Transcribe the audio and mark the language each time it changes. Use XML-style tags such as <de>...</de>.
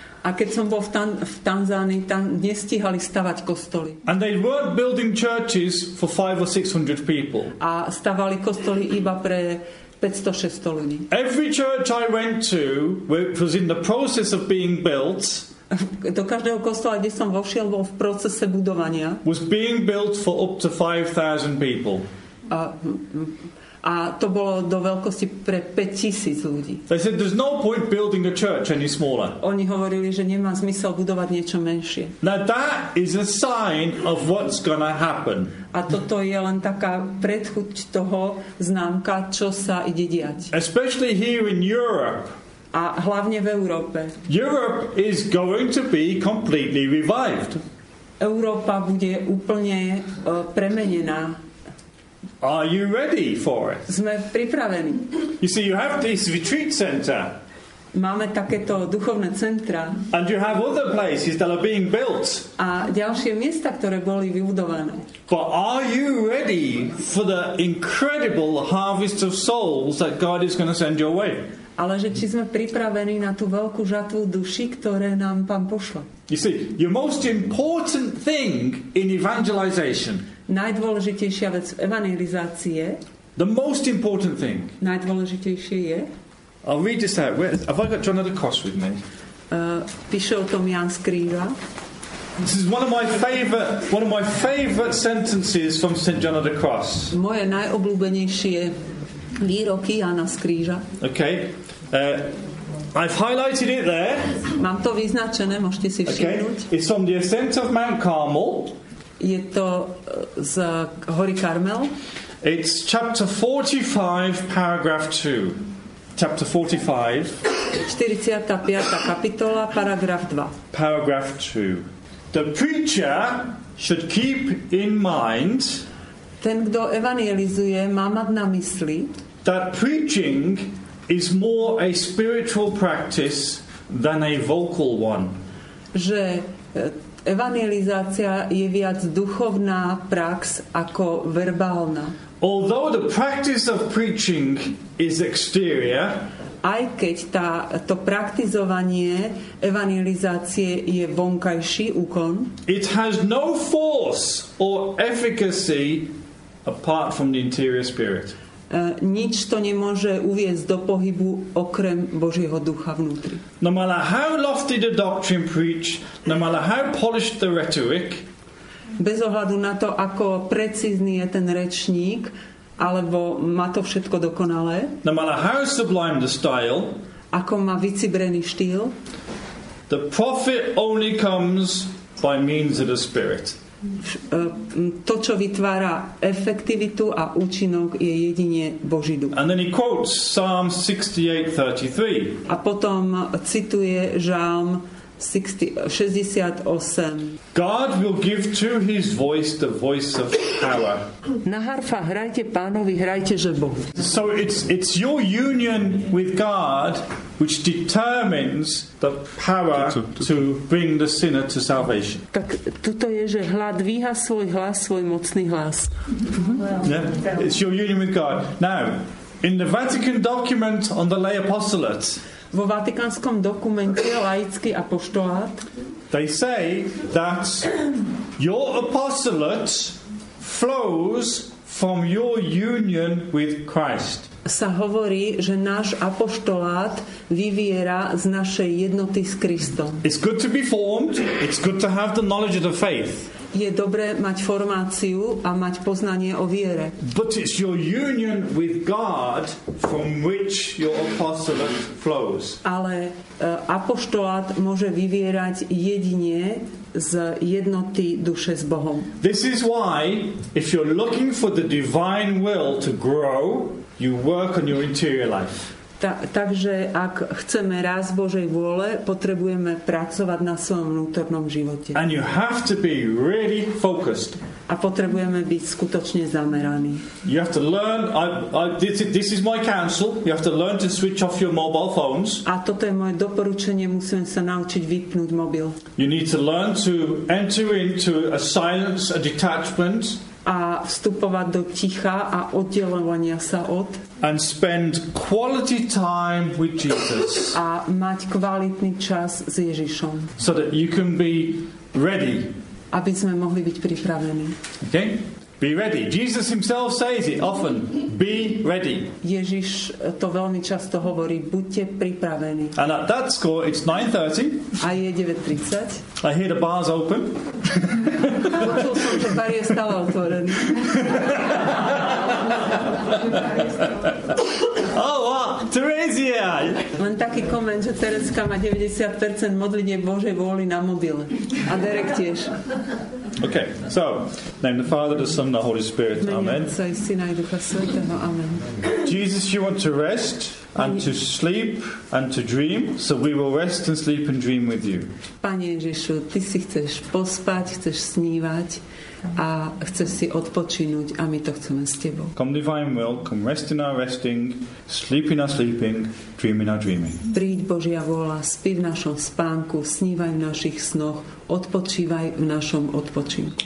<sk>A keď som bol v Tanzánii, tam nestihali stavať kostoly.</sk> <en>And they weren't building churches for 500 or 600 people.</en> <sk>A stavali kostoly iba pre 500-600 ľudí.</sk> <en>Every church I went to, which was in the process of being built,</en> <sk>do každého kostola, kde som vošiel, bol v procese budovania,</sk> <en>was being built for up to 5,000 people.</en> <sk>A to bolo do veľkosti pre 5000 ľudí.</sk> <en>They said there's no point building a church any smaller.</en> <sk>Oni hovorili, že nemá zmysel budovať niečo menšie.</sk> <en>Now that is a sign of what's going to happen.</en> <sk>A toto je len taká predchuť toho, známka, čo sa ide diať.</sk> <en>Especially here in Europe.</en> <sk>A hlavne v Európe.</sk> <en>Europe is going to be completely revived.</en> <sk>Európa bude úplne premenená.</sk> <en>Are you ready for it?</en> <sk>Sme pripravení.</sk> <en>You see, you have this retreat center.</en> <sk>Máme takéto duchovné centra.</sk> <en>And you have other places that are being built.</en> <sk>A ďalšie miesta, ktoré boli vybudované.</sk> <en>But are you ready for the incredible harvest of souls that God is going to send your way?</en> <sk>Ale že či sme pripravení na tú veľkú žatvu duší, ktoré nám Pán pošle.</sk> <en>You see, your most important thing in evangelization.</en> <sk>Najdôležitejšia vec v evangelizácii.</sk> <en>The most important thing.</en> <sk>Najdôležitejšie je.</sk> <en>I'll read this out. Have I got John of the Cross with me?</en> <sk>Píše o tom Ján z Kríža.</sk> <en>This is one of my favorite sentences from St. John of the Cross.</en> <sk>Moje najobľúbenejšie výroky Jána z Kríža.</sk> <en>Okay. I've highlighted it there.</en> <sk>Mám to vyznačené, môžete si všimnúť.</sk> <en>It's from the Ascent of Mount Carmel.</en> <sk>Je to z hory Karmel.</sk> <en>It's chapter 45, paragraph 2. Chapter 45.</en> <sk>45. kapitola, paragraf 2.</sk> <en>Paragraph 2. The preacher should keep in mind.</en> <sk>Ten, kto evangelizuje, má mať na mysli.</sk> <en>That preaching is more a spiritual practice than a vocal one.</en> <sk>Že evangelizácia je viac duchovná prax ako verbálna.</sk> <en>Although the practice of preaching is exterior,</en> <sk>aj keď to praktizovanie evangelizácie je vonkajší úkon,</sk> <en>it has no force or efficacy apart from the interior spirit.</en> <sk>Nič to nemôže uviesť do pohybu okrem Božieho ducha vnútri.</sk> <en>No matter how lofty the doctrine preached, no matter how polished the rhetoric,</en> <sk>bez ohľadu na to, ako precízny je ten rečník, alebo má to všetko dokonalé,</sk> <en>no matter how sublime the style,</en> <sk>ako má vycibrený štýl,</sk> <en>the prophet only comes by means of the Spirit.</en> <sk>To, čo vytvára efektivitu a účinok, je jedine Boží duch.</sk> <en>And then he quotes Psalm 68:33.</en> <sk>A potom cituje Žalm 68.</sk> <en>God will give to his voice the voice of power.</en> <sk>Na harfa hrajte Pánovi, hrajte že Boh.</sk> <en>So it's your union with God which determines the power to bring the sinner to salvation.</en> <sk>Tak toto je, že hlad dvíha svoj hlas, svoj mocný hlas.</sk> <en>Yeah? It's your union with God. Now, in the Vatican document on the lay apostolate,</en> <sk>vo vatikánskom dokumente laický apoštolát,</sk> <en>they say that your apostolate flows from your union with Christ.</en> <sk>Sa hovorí, že náš apoštolát vyviera z našej jednoty s Kristom.</sk> <en>It's good to be formed, it's good to have the knowledge of the faith.</en> <sk>Je dobré mať formáciu a mať poznanie o viere.</sk> <en>But it's your union with God from which your apostolate flows.</en> <sk>Ale apoštolát môže vyvierať jedine z jednoty duše s Bohom.</sk> <en>This is why if you're looking for the divine will to grow, you work on your interior life.</en> <sk>Takže ak chceme rásť Božej vôle, potrebujeme pracovať na svojom vnútornom živote.</sk> <en>And you have to be really focused.</en> <sk>A potrebujeme byť skutočne zameraní.</sk> <en>You have to learn, this is my counsel, you have to learn to switch off your mobile phones.</en> <sk>A toto je moje doporučenie, musíme sa naučiť vypnúť mobil.</sk> <en>You need to learn to enter into a silence, a detachment.</en> <sk>A vstupovať do ticha a oddelovania sa od.</sk> <en>And spend quality time with Jesus.</en> <sk>A mať kvalitný čas s Ježišom.</sk> <en>So that you can be ready.</en> <sk>Aby sme mohli byť pripravení.</sk> <en>Okay? Be ready. Jesus himself says it often. Be ready.</en> <sk>Ježiš to veľmi často hovorí. Buďte pripravení.</sk> <en>And at that score, it's 9:30.</en> <sk>A je 9:30.</sk> <en>I hear the bars open.</en> <sk>Počul som, že bar je stále otvorený.</sk> <en>Oh, wow. Teresia!</en> <sk>Len taký koment, že Tereska má 90% modlenie Božej vôli na mobile. A Derek tiež.</sk> <en>Okay, so, name the Father, the Son, the Holy Spirit. Amen. Amen. Jesus, you want to rest and to sleep and to dream, so we will rest and sleep and dream with you.</en> <sk>Pane Ježišu, ty si chceš pospať, chceš snívať a chceš si odpočinúť a my to chceme s tebou.</sk> <en>Come divine will, come rest in our resting, sleep in our sleeping, dream in our dreaming.</en> <sk>Príď Božia vôľa, spí v našom spánku, snívaj v našich snoch, odpočívaj v našom odpočinku.</sk>